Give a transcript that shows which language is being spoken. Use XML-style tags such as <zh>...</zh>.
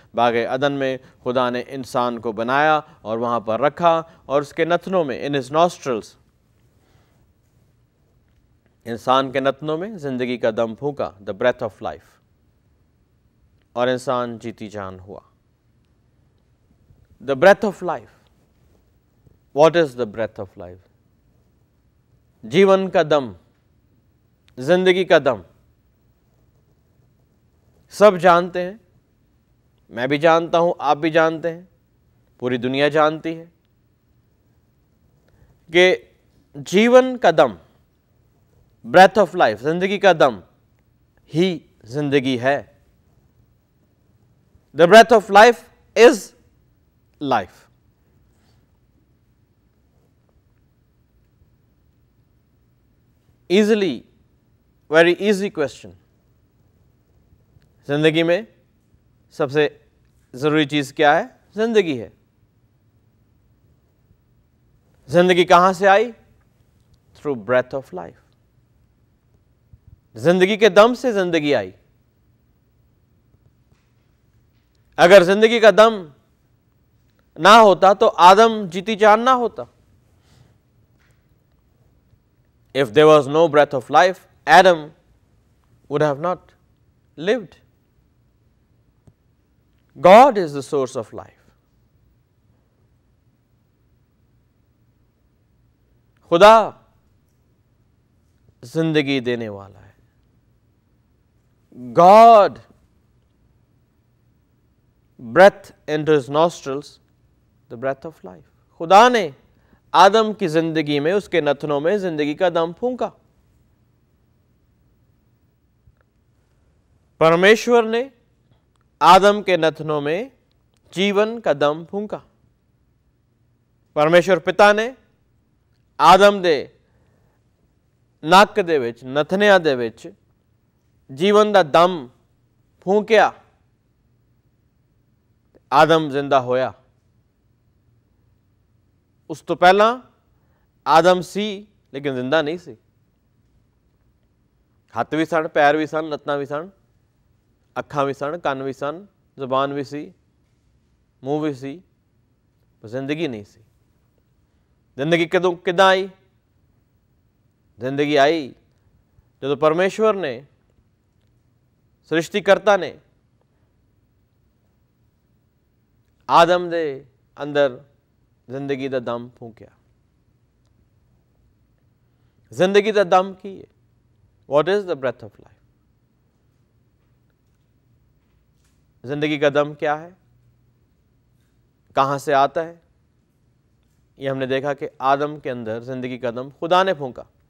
<ur>باغ عدن میں خدا نے انسان کو بنایا اور وہاں پر رکھا, اور اس کے نتنوں میں,</ur> <en>in his nostrils,</en> <ur>انسان کے نتنوں میں زندگی کا دم پھونکا,</ur> <en>the breath of life,</en> <ur>اور انسان جیتی جان ہوا.</ur> <en>The breath of life, what is the breath of life?</en> <ur>جیون کا دم, زندگی کا دم. سب جانتے ہیں, میں بھی جانتا ہوں, آپ بھی جانتے ہیں, پوری دنیا جانتی ہے کہ جیون کا دم,</ur> <en>breath of life,</en> <ur>زندگی کا دم ہی زندگی ہے.</ur> <en>The breath of life is life. Easily, very easy question.</en> <ur>زندگی میں سب سے ضروری چیز کیا ہے؟ زندگی ہے. زندگی کہاں سے آئی؟</ur> <en>Through breath of life.</en> <ur>زندگی کے دم سے زندگی آئی. اگر زندگی کا دم نہ ہوتا تو آدم جیتی جان نہ ہوتا.</ur> <en>If there was no breath of life, Adam would have not lived. God is the source of life.</en> <ur>خدا زندگی دینے والا ہے.</ur> <en>God breath into his nostrils, the breath of life.</en> <ur>خدا نے آدم کی زندگی میں, اس کے نتنوں میں زندگی کا دم پھونکا. پرمیشور نے آدم کے نتنوں میں جیون کا دم پھونکا.</ur> <pa>پرمیشور پتا نے آدم دے ناک دے وچ, نتنیا دے وچ جیون دا دم پھونکیا, آدم زندہ ہویا. اس تو پہلا آدم سی لیکن زندہ نہیں سی. ہاتھ بھی سن, پیر بھی سن, لتنا بھی سن, اکھاں بھی سن, کن بھی سن, زبان بھی سی, منہ بھی سی, زندگی نہیں سی. زندگی کدوں کدھا آئی؟ زندگی آئی جب پرمیشور نے, سرشتی کرتا نے آدم دے اندر زندگی دا دم پھونکیا. زندگی دا دم کی ہے؟</pa> <en>What is the breath of life?</en> <ur>زندگی کا دم کیا ہے, کہاں سے آتا ہے؟ یہ ہم نے دیکھا کہ آدم کے اندر زندگی کا دم خدا نے پھونکا.</ur>